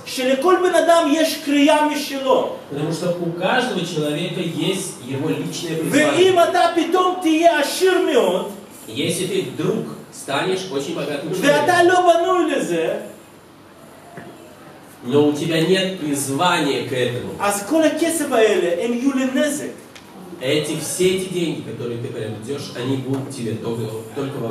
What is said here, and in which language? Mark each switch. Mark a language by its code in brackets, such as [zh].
[he] שלכל בן אדם יש קריאה משלו. [ru] Потому что у каждого человека есть его личное призвание. Если ты вдруг станешь очень богатым человеком, но у тебя нет призвания к этому, [he] אז כל הכסף האלה הם יהיו לנזק. [ru] Эти все эти деньги, которые ты приобретешь, они будут тебе только во